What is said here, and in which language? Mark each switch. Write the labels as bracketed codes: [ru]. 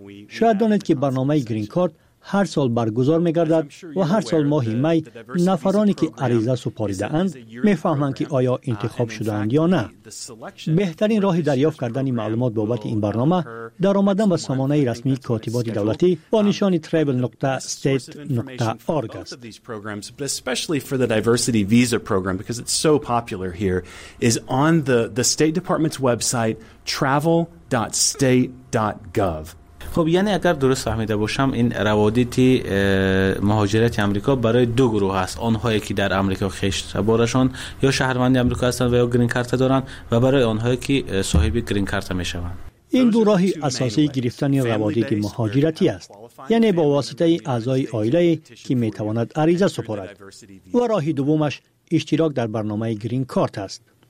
[fa] شاید دانید که برنامه گرین کارت هر سال برگزار می‌گردد و هر سال ماه می نفرانی که عریضه سپاریده اند می‌فهمند که آیا انتخاب شده‌اند یا نه. بهترین راه دریافت کردن معلومات بابت این برنامه در آمدن به سامانه رسمی کاتبات دولتی با نشان travel.state.org است. [en] Especially for the diversity visa program because it's so popular here is on the State Department's website travel.state.gov. [fa] خب یعنی اگر درست فهمیده باشم این روادید مهاجرت آمریکا برای دو گروه است، آنهایی که در آمریکا خشت بارشان یا شهروند آمریکا هستند و یا گرین کارت دارند و برای آنهایی که صاحب گرین کارت می شوند. این دو راه اساسی گرفتن روادید مهاجرتی است، یعنی با واسطه اعضای عائله که می تواند عریضه سپارد، و راه دومش اشتراک در برنامه گرین کارت است.